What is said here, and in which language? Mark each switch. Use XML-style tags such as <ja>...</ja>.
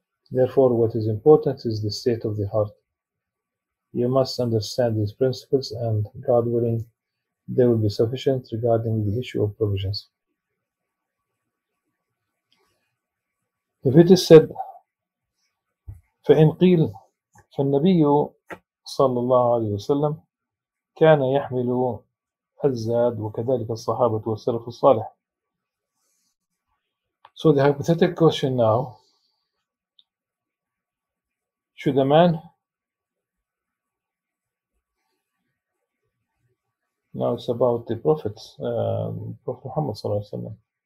<en>Therefore, what is important is the state of the heart. You must understand these principles, and God willing, they will be sufficient regarding the issue of provisions. If it is said,</en> <ar>فإن قيل فالنبي صلى الله عليه وسلم كان يحمل الزاد وكذلك الصحابة والسلف الصالح.</ar> <en>So the hypothetical question now, should a man, now it's about the Prophet, Prophet Muhammad</en> <ar>صلى الله عليه وسلم.</ar>